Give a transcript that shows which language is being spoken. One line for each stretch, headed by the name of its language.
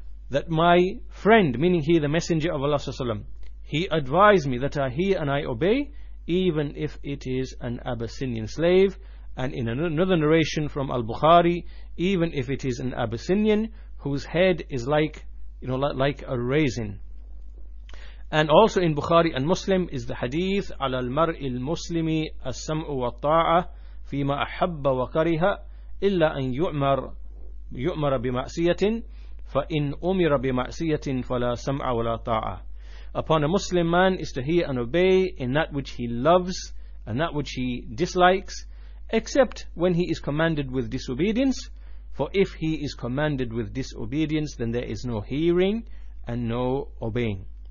English: That my friend, meaning he the Messenger of Allah sallallahu alaihi wasallam, he advised me that I hear and I obey, even if it is an Abyssinian slave. And in another narration from Al-Bukhari, even if it is an Abyssinian whose head is like a raisin. And also in Bukhari and Muslim is the hadith,
Arabic: عَلَى الْمَرْءِ الْمُسْلِمِ السَّمْءُ وَالطَّاعَةِ فِي مَا أَحَبَّ وَكَرِهَ إِلَّا أَنْ يُؤْمَرَ بِمَعْسِيَةٍ فَإِنْ أُمِرَ بِمَعْسِيَةٍ فَلَا سَمْعَ وَلَا طَاعَةٍ.
English: Upon a Muslim man is to hear and obey in that which he loves and that which he dislikes, except when he is commanded with disobedience. For if he is commanded with disobedience, then there is no hearing and no obeying.